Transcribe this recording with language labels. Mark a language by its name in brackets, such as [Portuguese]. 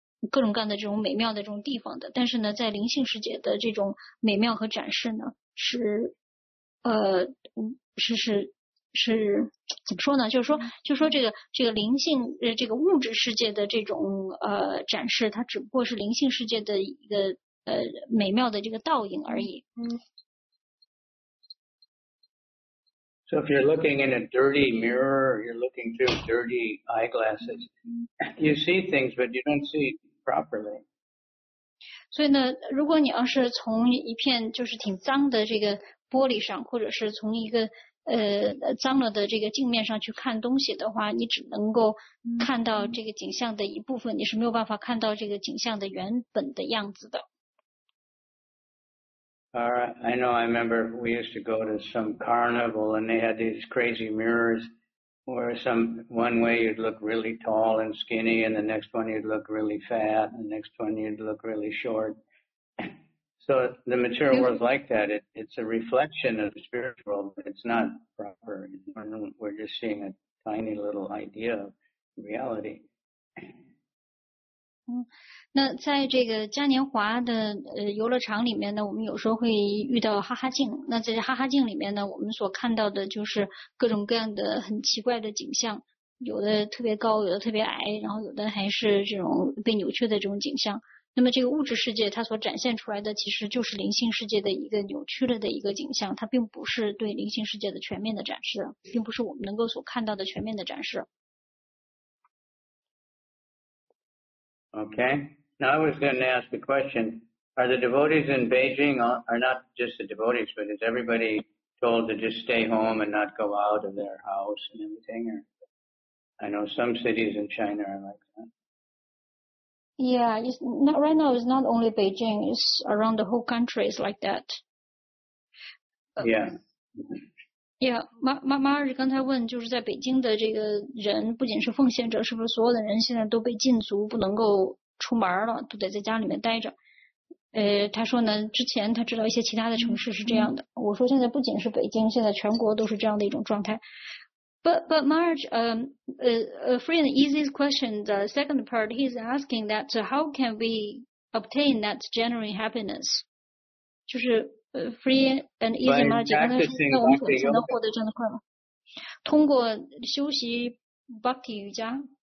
[Chinese] 各种各样的这种美妙的这种地方的，但是呢，在灵性世界的这种美妙和展示呢，是怎么说呢？就是说这个灵性这个物质世界的这种展示，它只不过是灵性世界的一个美妙的这个倒影而已。嗯。 [English] So if you're looking in a dirty mirror, you're looking through dirty eyeglasses, you see things, but you don't see. properly. [Chinese] 所以呢，如果你要是从一片就是挺脏的这个玻璃上，或者是从一个脏了的这个镜面上去看东西的话，你只能够看到这个景象的一部分，你是没有办法看到这个景象的原本的样子的。 [English] All right, I know. I remember we used to go to some carnival and they had these crazy mirrors. Where one way you'd look really tall and skinny, and the next one you'd look really fat, and the next one you'd look really short. So the material world is like that. It's a reflection of the spiritual world. It's not proper. We're just seeing a tiny little idea of reality. [Chinese] 那在这个嘉年华的游乐场里面呢，我们有时候会遇到哈哈镜。那在哈哈镜里面呢，我们所看到的就是各种各样的很奇怪的景象，有的特别高，有的特别矮，然后有的还是这种被扭曲的这种景象。那么这个物质世界它所展现出来的其实就是灵性世界的一个扭曲了的一个景象，它并不是对灵性世界的全面的展示，并不是我们能够所看到的全面的展示。 [English] Okay. Now I was going to ask the question, are the devotees in Beijing, are not just the devotees, but is everybody told to just stay home and not go out of their house and everything? Or, I know some cities in China are like that. Yeah, right now it's not only Beijing, it's around the whole country is like that. Yeah. [Chinese] 妈儿刚才问，就是在北京的这个人，不仅是奉献者，是不是所有的人现在都被禁足，不能够出门了，都得在家里面待着？他说呢，之前他知道一些其他的城市是这样的。我说现在不仅是北京，现在全国都是这样的一种状态。 [English] But Marge, free and easy question. The second part, he's asking that how can we obtain that genuine happiness? [Chinese] 就是。 [English] Free and easy mind, [Chinese] 那我们怎么能获得这样的通过休息 Bhakti 瑜伽